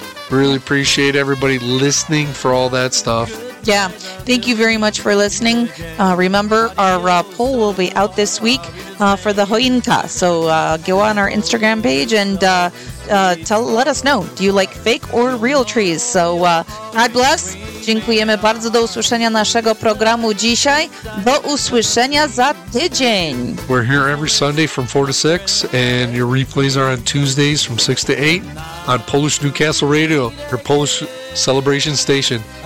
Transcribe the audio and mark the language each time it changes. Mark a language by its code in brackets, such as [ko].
[en] Really appreciate everybody listening for all that stuff. Yeah, thank you very much for listening. Remember, our poll will be out this week for the Hoinka. So go on our Instagram page and let us know. Do you like fake or real trees? So God bless. [pl] Dziękujemy bardzo. Do usłyszenia naszego programu dzisiaj. Do usłyszenia za tydzień. [en] We're here every Sunday from 4 to 6, and your replays are on Tuesdays from 6 to 8 on Polish Newcastle Radio, your Polish celebration station.